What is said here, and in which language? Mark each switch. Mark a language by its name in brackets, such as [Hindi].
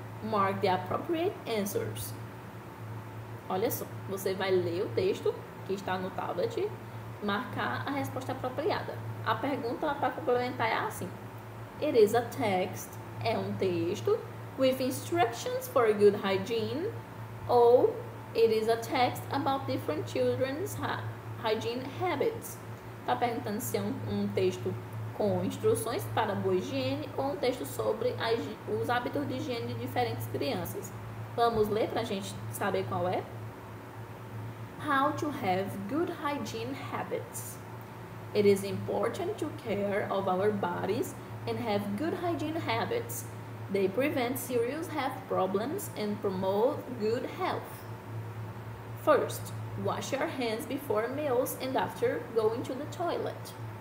[English] Mark the appropriate answers. [Portuguese] Olha só. Você vai ler o texto que está no tablet, marcar a resposta apropriada. A pergunta para complementar é assim: [English] It is a text. [Portuguese] É um texto [English] with instructions for good hygiene. Ou it is a text about different children's hygiene habits. [Portuguese] Está perguntando se é um texto com instruções para boa higiene ou um texto sobre os hábitos de higiene de diferentes crianças. Vamos ler para a gente saber qual é? [English] How to have good hygiene habits. It is important to care of our bodies and have good hygiene habits. They prevent serious health problems and promote good health. First, wash your hands before meals and after going to the toilet.